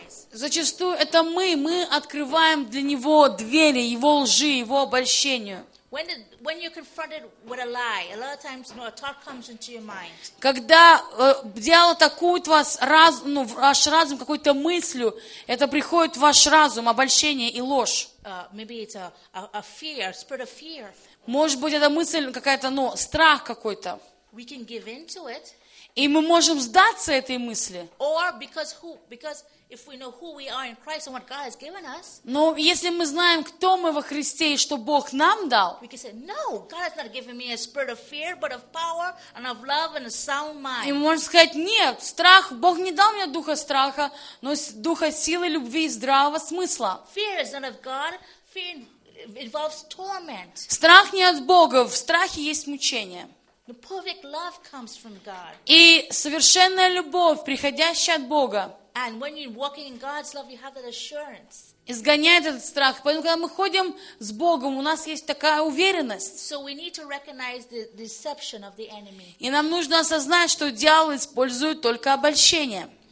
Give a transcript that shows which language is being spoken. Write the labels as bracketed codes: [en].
[ru] Зачастую это мы открываем для него двери его лжи, его обольщению. [en] When you're confronted with a lie, a lot of times, a thought comes into your mind. [ru] Когда дьявол атакует вас ваш разум какой-то мыслью, это приходит в ваш разум обольщение и ложь. [en] Maybe it's a fear, spirit of fear. [ru] Может быть, это мысль какая-то, страх какой-то. [en] We can give in to it. [ru] И мы можем сдаться этой мысли. [en] Or because if we know who we are in Christ and what God has given us. [ru] Но если мы знаем, кто мы во Христе и что Бог нам дал. [en] We can say, no, God has not given me a spirit of fear, but of power and of love and a sound mind. [ru] И мы можем сказать, нет, страх, Бог не дал мне духа страха, но духа силы, любви и здравого смысла. [en] Fear is not of God. Fear involves torment. [ru] Страх не от Бога, в страхе есть мучение. [en] The perfect love comes from God. [ru] И совершенная любовь, приходящая от Бога. [en] And when you're walking in God's love, you have that assurance. [ru] Изгоняет этот страх. Поэтому, когда мы ходим с Богом, у нас есть такая уверенность. [en] So we need to recognize the deception of the enemy. [ru] И нам нужно осознать, что дьявол использует только обольщение.